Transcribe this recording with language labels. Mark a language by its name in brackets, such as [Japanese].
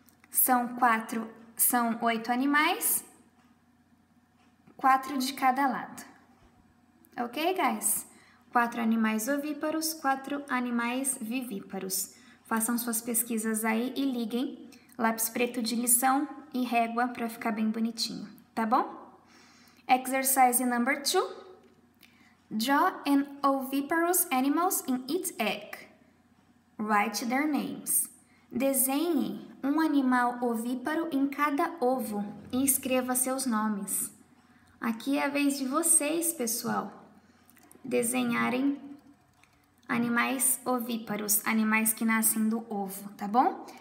[Portuguese] São 8 animais, 4 de cada lado. [English] Ok, guys? [Portuguese] 4 animais ovíparos, 4 animais vivíparos. Façam suas pesquisas aí e liguem lápis preto de lição e régua para ficar bem bonitinho, Tá bom? [English] Exercise number 2. Draw an oviparous animal in its egg. Write their names. [Portuguese] Desenhe um animal ovíparo em cada ovo e escreva seus nomes. Aqui é a vez de vocês, pessoal, desenharem animais ovíparos, animais que nascem do ovo, tá bom?